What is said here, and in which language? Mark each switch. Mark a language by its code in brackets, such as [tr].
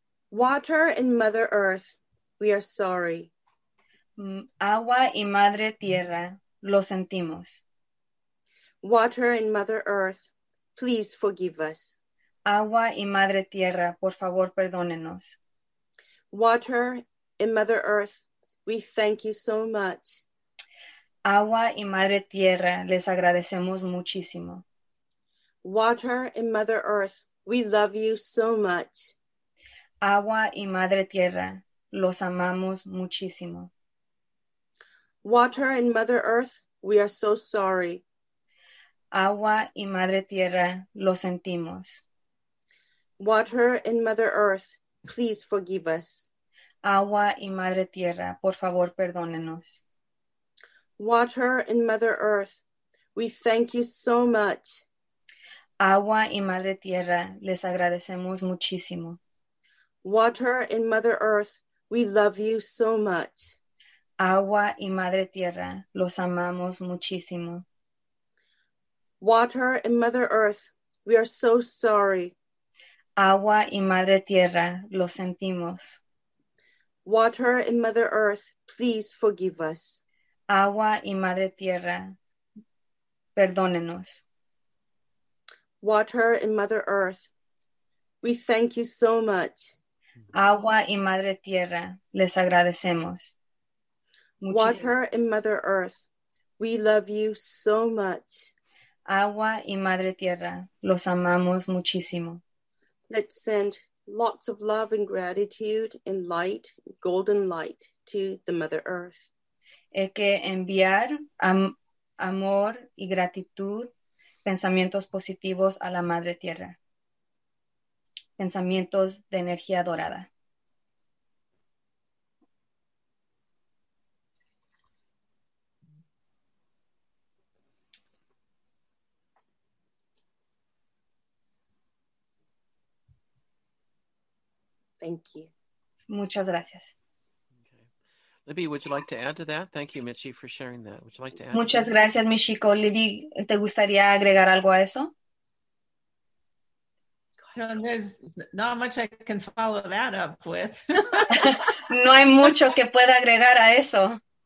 [en] Water and Mother Earth, we are sorry. [es] Agua y Madre Tierra, lo sentimos. [en] Water and Mother Earth, please forgive us. [es] Agua y Madre Tierra, por favor, perdónenos. [en] Water and Mother Earth, we thank you so much. [es] Agua y Madre Tierra, les agradecemos muchísimo. [en] Water and Mother Earth, we love you so much. [es] Agua y Madre Tierra, los amamos muchísimo. [en] Water and Mother Earth, we are so sorry. [es] Agua y Madre Tierra, lo sentimos. [en] Water and Mother Earth, please forgive us. [es] Agua y Madre Tierra, por favor, perdónenos. [en] Water and Mother Earth, we thank you so much. [es] Agua y Madre Tierra, les agradecemos muchísimo. [en] Water and Mother Earth, we love you so much. [es] Agua y Madre Tierra, los amamos muchísimo. [en] Water and Mother Earth, we are so sorry. [es] Agua y Madre Tierra, lo sentimos. [en] Water and Mother Earth, please forgive us. [es] Agua y Madre Tierra, perdónenos. [en] Water and Mother Earth, we thank you so much. [es] Agua y Madre Tierra, les agradecemos. Muchísimo. [en] Water and Mother Earth, we love you so much. [es] Agua y Madre Tierra, los amamos muchísimo. [en] Let's send lots of love and gratitude and light, golden light, to the Mother Earth. [es] Hay que enviar amor y gratitud, pensamientos positivos a la Madre Tierra. Pensamientos de energía dorada. [en] Thank you. [es] Muchas gracias. Okay. [en] Libby, would you like to add to that? Thank you, Michi, for sharing that. Would you like to add? [es] Muchas gracias, Michiko. Libby, ¿te gustaría agregar algo a eso? [en] No, there's not much I can follow that up with. [es] No hay mucho que pueda agregar a eso.